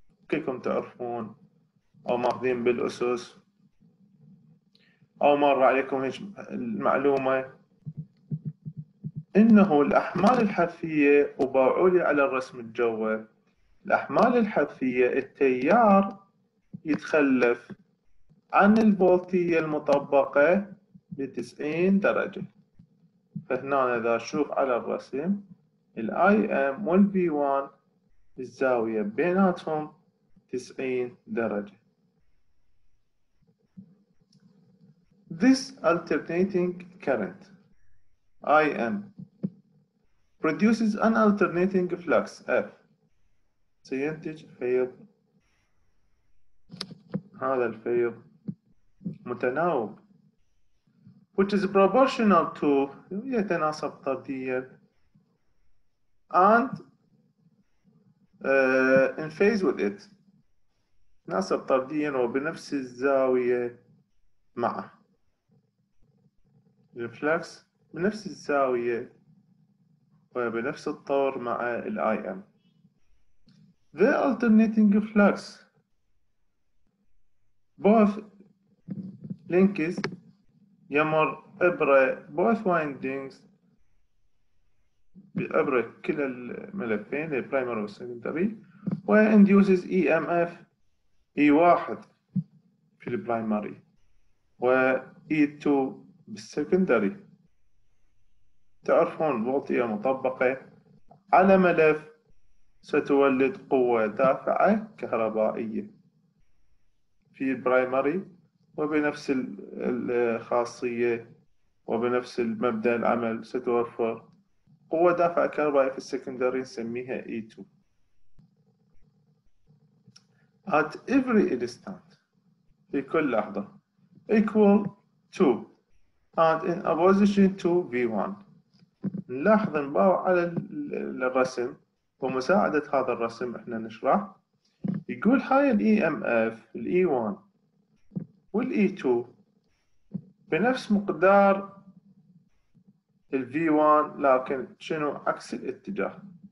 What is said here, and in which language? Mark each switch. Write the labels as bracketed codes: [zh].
[ar] كلكم تعرفون أو ماخذين بالأسس أو مر عليكم المعلومة إنه الأحمال الحافية، وباعولي على الرسم الجوي، الأحمال الحافية التيار يتخلف عن الفولتية المطبقة ب90 درجة. فهنا إذا أشوف على الرسم الـ IM والـ V1 الزاوية بيناتهم 90 درجة. [en] This alternating current IM produces an alternating flux F، [ar] سينتج فيض، هذا الفيض متناوب، [en] which is proportional to، [ar] يتناسب طرديا، [en] and in phase with it، [ar] يتناسب طرديا وبنفس الزاوية معه. الflux بنفس الزاوية وبنفس الطور مع الـ IM. [en] The alternating flux both linkages [ar] يمر عبر [en] both windings، [ar] عبر كلا الملفين [en] الـ primary و secondary، و induces EMF E1 في الـ primary و E2 [ar] بالسكندري. تعرفون فولتية مطبقة على ملف ستولد قوة دافعة كهربائية في البرايمري، وبنفس الخاصية وبنفس مبدأ العمل ستوفر قوة دافعة كهربائية في السكندري نسميها E2. [en] At every instant، [ar] في كل لحظة، [en] equal to and in opposition to V1. [ar] نلاحظ نباو على الرسم، ومساعدة هذا الرسم احنا نشرح، يقول هاي الـ EMF الـ E1 والـ E2 بنفس مقدار الـ V1 لكن شنو؟ عكس الاتجاه.